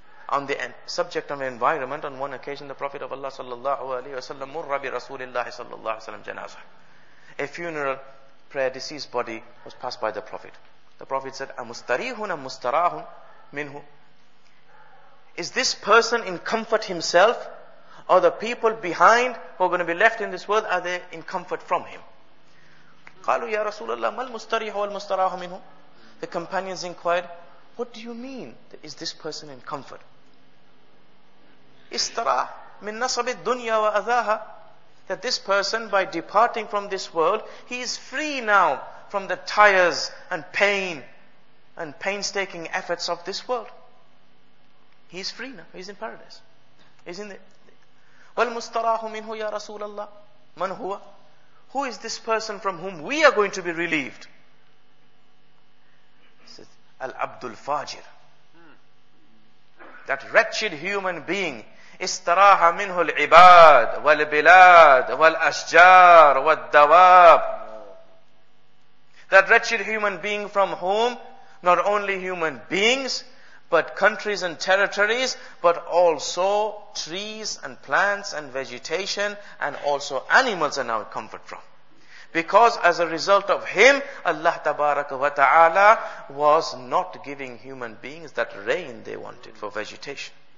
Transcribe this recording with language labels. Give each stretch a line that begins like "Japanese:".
English: On the subject of environment, on one occasion the Prophet of Allah sallallahu alayhi wa sallam
Arabic: murra bi rasulillahi sallallahu alayhi wa sallam janazah.
English: A funeral prayer, deceased body was passed by the Prophet. The Prophet said,
Arabic: "Amustarihun, amustarahun, minhu."
English: Is this person in comfort himself, or the people behind who are going to be left in this world, are they in comfort from him?
Arabic: قالوا يا رسول الله ما المستريح والمستراح منه.
English: The companions inquired, "What do you mean? Is this person in comfort?"
Arabic: استراح من نصب الدنيا وأذاها.
English: That this person, by departing from this world, he is free now from the tires and pain and painstaking efforts of this world. He is free now. He is in paradise. Isn't it?
Arabic: والمستراح منه يا رسول الله من هو.
English: Who is this person from whom we are going to be relieved? He says, Al-Abdul Fajir. That wretched human being,
Arabic: استراح منه العباد والبلاد والأشجار والدواب.
English: That wretched human being from whom not only human beings, but countries and territories, but also trees and plants and vegetation, and also animals are now comfort from. Because as a result of him, Allah Tabaraka wa Ta'ala was not giving human beings that rain they wanted for vegetation.